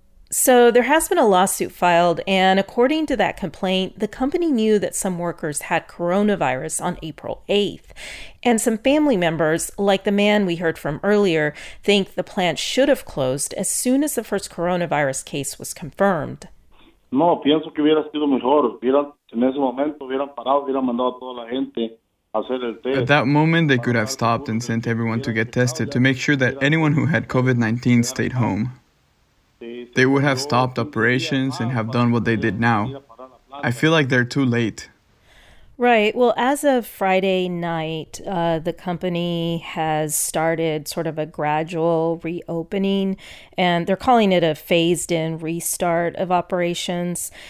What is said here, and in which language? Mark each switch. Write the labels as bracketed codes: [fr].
[en] So there has been a lawsuit filed, and according to that complaint, the company knew that some workers had coronavirus on April 8th. And some family members, like the man we heard from earlier, think the plant should have closed as soon as the first coronavirus case was confirmed. [es] No, pienso que hubiera sido mejor. En ese momento hubieran parado, hubieran mandado a toda la gente. [en] At that moment, they could have stopped and sent everyone to get tested to make sure that anyone who had COVID-19 stayed home. They would have stopped operations and have done what they did now. I feel like they're too late. Right. Well, as of Friday night, the company has started sort of a gradual reopening, and they're calling it a phased-in restart of operations.